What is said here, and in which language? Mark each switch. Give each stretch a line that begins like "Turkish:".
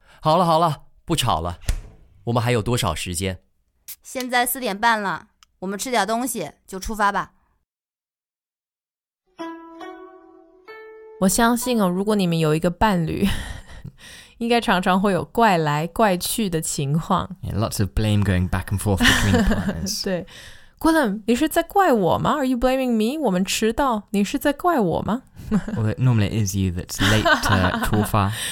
Chinese: 好了好了，不吵了，我们还有多少时间？现在四点半了，我们吃点东西就出发吧。我相信哦，如果你们有一个伴侣，应该常常会有怪来怪去的情况。
English: Yeah, lots of blame going back and forth between partners.
Chinese: 对 ，Gwilym, 你是在怪我吗 ？
English: Are you blaming me?
Chinese: 我们迟到，你是在怪我吗
English: ？Well, it normally is you that's late to 出发。